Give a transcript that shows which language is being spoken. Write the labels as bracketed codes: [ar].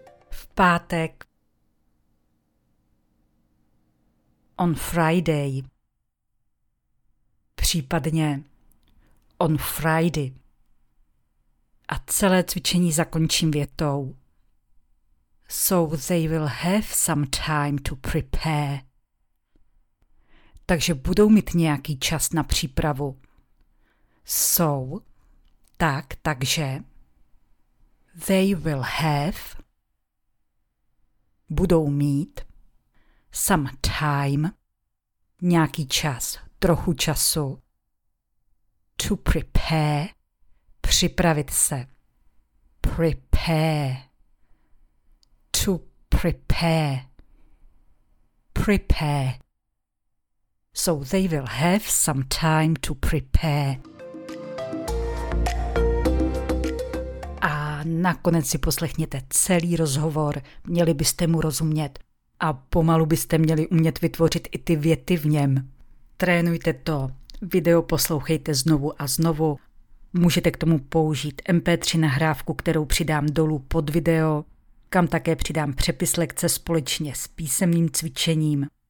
[cs] V pátek. [en] On Friday. [cs] Případně [en] on Friday. [cs] A celé cvičení zakončím větou. [en] So they will have some time to prepare. [cs] Takže budou mít nějaký čas na přípravu. [en] So, [cs] tak, takže. [en] They will have. [cs] Budou mít. [en] Some time. [cs] Nějaký čas, trochu času. [en] To prepare. [cs] Připravit se. [en] Prepare. To prepare. Prepare. So they will have some time to prepare. [cs] A nakonec si poslechněte celý rozhovor, měli byste mu rozumět a pomalu byste měli umět vytvořit i ty věty v něm. Trénujte to, video poslouchejte znovu a znovu. Můžete k tomu použít MP3 nahrávku, kterou přidám dolů pod video, kam také přidám přepis lekce společně s písemným cvičením.